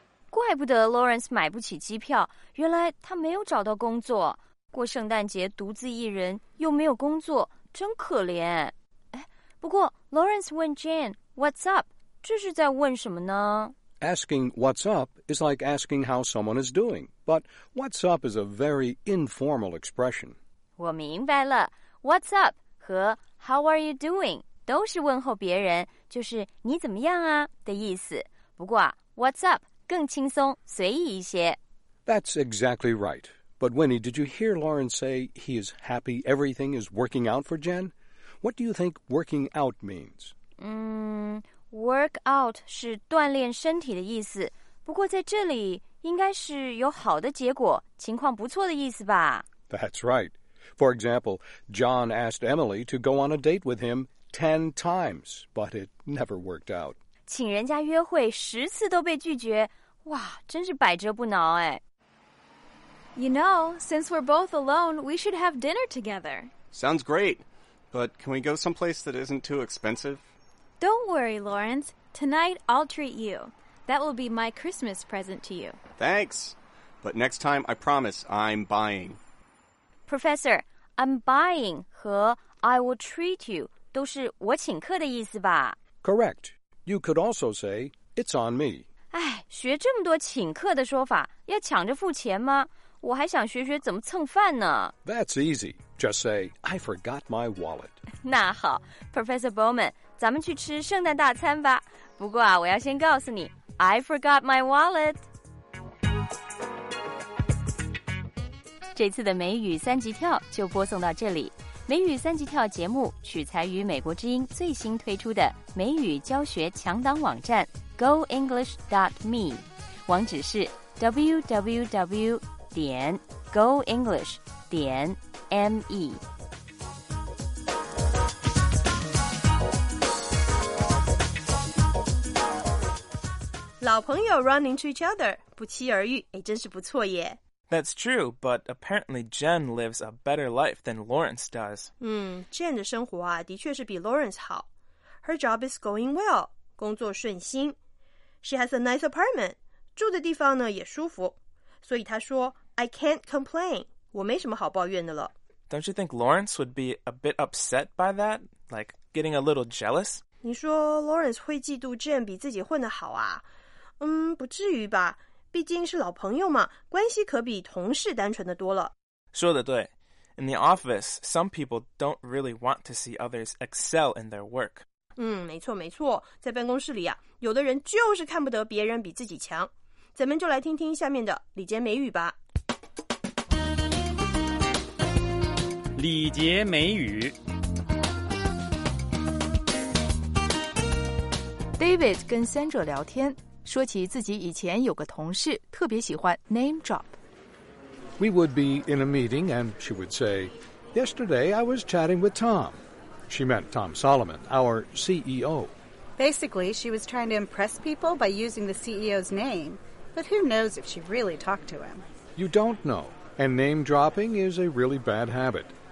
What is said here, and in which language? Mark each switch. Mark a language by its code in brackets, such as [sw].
[zh] 怪不得 Lawrence 买不起机票，原来他没有找到工作。过圣诞节独自一人，又没有工作，真可怜。哎，不过 Lawrence 问 Jane [en] "What's up?" [zh] 这是在问什么呢 [en] Asking what's up is like asking how someone is doing, but what's up is a very informal expression. [zh] 我明白了。 [en] What's up [zh] 和 [en] how are you doing [zh] 都是问候别人，就是你怎么样啊的意思。不过啊 , [en] what's up [zh] 更轻松随意一些。 [en] That's exactly right. But Winnie, did you hear Lauren say he is happy everything is working out for Jen? What do you think working out means? Work out [zh] 是锻炼身体的意思，不过在这里应该是有好的结果，情况不错的意思吧。 [en] That's right. For example, John asked Emily to go on a date with him 10 times, but it never worked out. [zh] 请人家约会十次都被拒绝，哇，真是百折不挠哎。 [en] You know, since we're both alone, we should have dinner together. Sounds great, but can we go someplace that isn't too expensive? Don't worry, Lawrence. Tonight, I'll treat you. That will be my Christmas present to you. Thanks. But next time, I promise, I'm buying. Professor, I'm buying [zh] 和 [en] I will treat you [zh] 都是我请客的意思吧? [en] Correct. You could also say, it's on me. [zh] 哎，学这么多请客的说法，要抢着付钱吗? 我还想学学怎么蹭饭呢。 [en] That's easy. Just say, I forgot my wallet. [zh] 那好，Professor Bowman,咱们去吃圣诞大餐吧。不过啊，我要先告诉你 ， [en] I forgot my wallet。 [zh] 这次的美语三级跳就播送到这里。美语三级跳节目取材于美国之音最新推出的美语教学强档网站 GoEnglish.me， 网址是 www.goenglish.me。老朋友 [en] run into each other, [zh] 不期而遇，哎，真是不错耶。 [en] That's true, but apparently Jen lives a better life than Lawrence does. [zh] Jen 的生活啊，的确是比 Lawrence 好。 [en] Her job is going well, [zh] 工作顺心。 [en] She has a nice apartment, [zh] 住的地方呢也舒服。所以她说 , [en] I can't complain, [zh] 我没什么好抱怨的了。 [en] Don't you think Lawrence would be a bit upset by that? Like getting a little jealous? [zh] 你说 Lawrence 会嫉妒 Jen 比自己混得好啊。不至于吧，毕竟是老朋友嘛，关系可比同事单纯的多了。说的对。 [en] In the office, some people don't really want to see others excel in their work. [zh] 没错没错，在办公室里啊，有的人就是看不得别人比自己强。咱们就来听听下面的礼节美语吧。礼节美语。 David 跟 Sandra 聊天。说起自己以前有个同事特别喜欢 name drop. [en] We would be in a meeting and she would say, Yesterday I was chatting with Tom. She meant Tom Solomon, our CEO. Basically, she was trying to impress people by using the CEO's name, but who knows if she really talked to him. You don't know, and name dropping is a really bad habit.